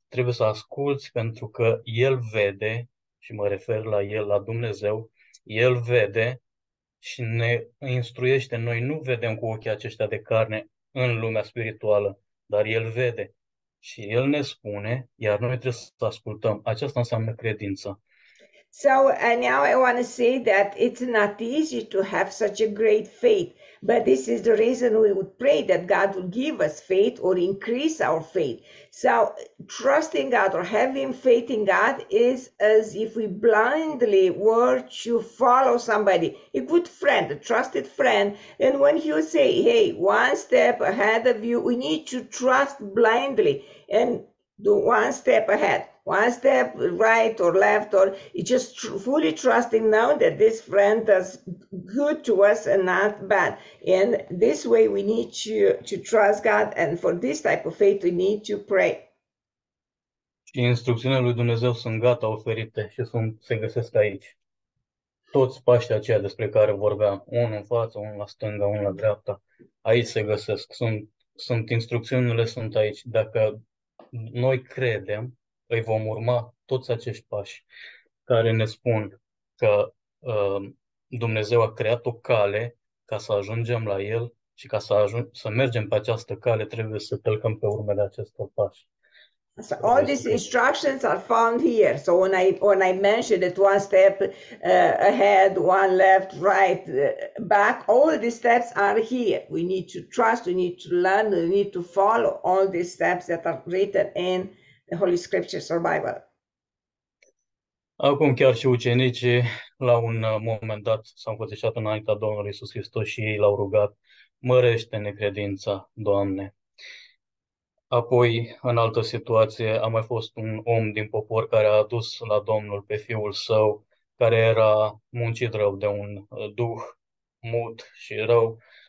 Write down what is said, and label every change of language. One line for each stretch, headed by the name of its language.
Romanian: Trebuie să asculți pentru că el vede. Și mă refer la El, la Dumnezeu, El vede și ne instruiește. Noi nu vedem cu ochii aceștia de carne în lumea spirituală, dar El vede și El ne spune, iar noi trebuie să ascultăm. Aceasta înseamnă credință.
English: So and now I want to say that it's not easy to have such a great faith, but this is the reason we would pray that God will give us faith or increase our faith. So trusting God or having faith in God is as if we blindly were to follow somebody, a good friend, a trusted friend, and when he would say, hey, one step ahead of you, we need to trust blindly and do one step ahead. One step right or left, or just fully trusting now that this friend does good to us and not bad. And this way we need to trust God, and for this type of faith we need to pray.
Romanian: Și instrucțiunile lui Dumnezeu sunt gata oferite și se găsesc aici. Toți pașii aceia despre care vorbeam, unul în față, unul la stânga, unul la dreapta, aici se găsesc. Sunt instrucțiunile sunt aici. Dacă noi credem, îi vom urma toți acești pași care ne spun că Dumnezeu a creat o cale ca să ajungem la El și ca să mergem pe această cale, trebuie să călcăm pe urmele acestor pași.
English: So all these instructions are found here. So when I mentioned it, one step ahead, one left, right, back, all these steps are here. We need to trust, we need to learn, we need to follow all these steps that are written in the Holy Scriptures or Bible.
Romanian: Acum chiar și ucenicii la un moment dat s-au înfățișat înaintea Domnului Iisus Hristos și ei l-au rugat, mărește-ne credința, Doamne. Apoi, în altă situație, a mai fost un om din popor care a adus la Domnul pe fiul său, care era muncit rău de un duh mut și rău.